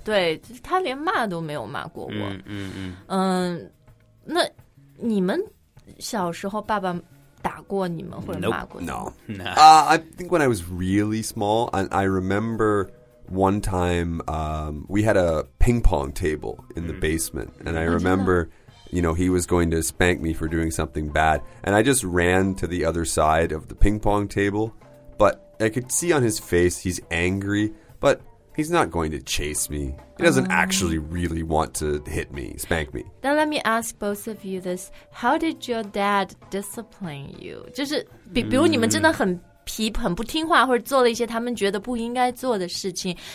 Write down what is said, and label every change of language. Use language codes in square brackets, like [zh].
[zh] 对他连骂都没有骂过我那你们小时候爸爸打过你们或者骂过你们 [en] I think when I was really small and I remember one time we had a ping pong table in the basement and I remember you know, he was going to spank me for doing something bad. And I just ran to the other side of the ping pong table. But I could see on his face, he's angry. But he's not going to chase me. He doesn't actually really want to hit me, spank me. Then let me ask both of you this. How did your dad discipline you? [zh] 就是比如你们真的很皮、很不听话或者做了一些他们觉得不应该做的事情。